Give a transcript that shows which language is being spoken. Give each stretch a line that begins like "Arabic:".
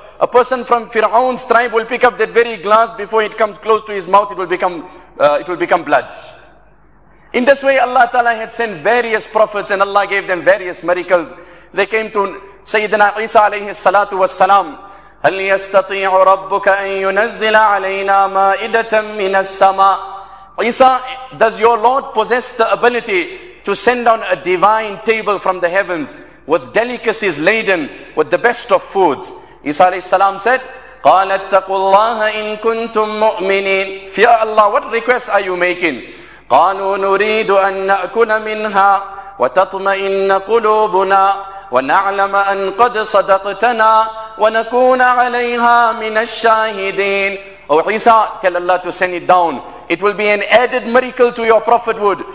English: A person from Fir'aun's tribe will pick up that very glass, before it comes close to his mouth, it will become blood. In this way, Allah Ta'ala had sent various prophets and Allah gave them various miracles. They came to Sayyidina Isa alayhi salatu was salam.
Arabic: هل يستطيع ربك أن ينزل علينا مائدة من السماء.
English: Isa, does your Lord possess the ability to send down a divine table from the heavens with delicacies laden with the best of foods? Isa alayhi salam said,
Arabic: قَالَتْ تَقُوا اللَّهَ إِن كُنْتُم مُؤْمِنِينَ.
English: Fear Allah, what request are you making?
Arabic: قَالُوا نُرِيدُ أَن نَأْكُلَ مِنْهَا وَتَطْمَئِنَّ قُلُوبُنَا وَنَعْلَمَ أَن قَدْ صَدَقْتَنَا وَنَكُونَ عَلَيْهَا مِنَ الشَّاهِدِينَ.
English: Oh Isa, tell Allah to send it down. It will be an added miracle to your prophethood.